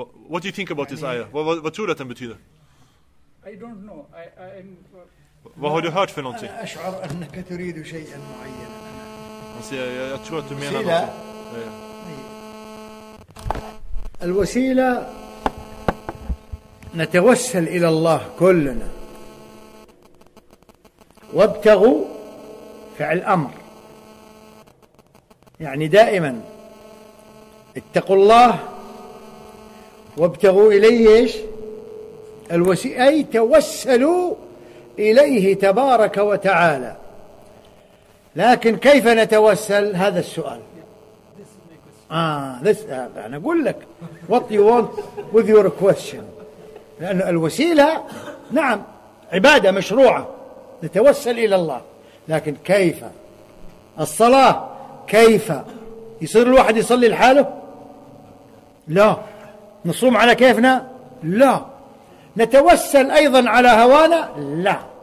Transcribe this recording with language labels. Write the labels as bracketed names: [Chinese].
[English] What do you think about this ayah? What does it mean? I don't know. I'm What have you heard for something? [Arabic] انا اشعر انك تريد شيئا معينا. بس يا ترى انت مين هذا؟ الوسيله نتوسل الى الله كلنا. وابتغوا فعل امر. يعني دائما اتقوا الله وابتغوا إليه إيش أي توسلوا إليه تبارك وتعالى. لكن كيف نتوسل؟ هذا السؤال. أنا أقول لك [English] what you want with your question. [Arabic] لأن الوسيلة نعم عبادة مشروعة نتوسل إلى الله، لكن كيف الصلاة؟ كيف يصير الواحد يصلي لحاله؟ لا. نصوم على كيفنا؟ لا. نتوسل أيضا على هوانا؟ لا.